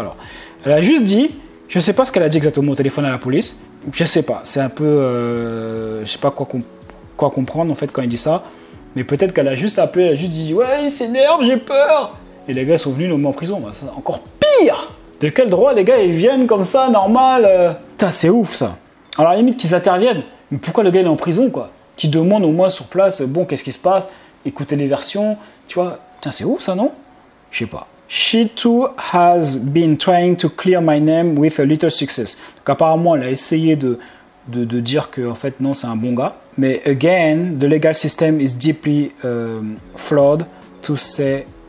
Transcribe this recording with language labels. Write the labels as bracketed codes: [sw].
[fr] Alors, elle a juste dit, je ne sais pas ce qu'elle a dit exactement au téléphone à la police, je ne sais pas, c'est un peu, je ne sais pas quoi comprendre en fait quand elle dit ça, mais peut-être qu'elle a juste appelé, elle a juste dit, ouais, il s'énerve, j'ai peur. Et les gars sont venus nous mettre en prison, c'est encore pire. De quel droit les gars ils viennent comme ça, normal? Putain, c'est ouf ça. Alors à la limite qu'ils interviennent, mais pourquoi le gars il est en prison quoi? Qui demande au moins sur place, bon qu'est-ce qui se passe? Écoutez les versions, tu vois. Putain, c'est ouf ça, non? Je sais pas. [en] She too has been trying to clear my name with a little success. [fr] Donc apparemment elle a essayé de dire que en fait non c'est un bon gars. [en] Mais again, the legal system is deeply flawed to say.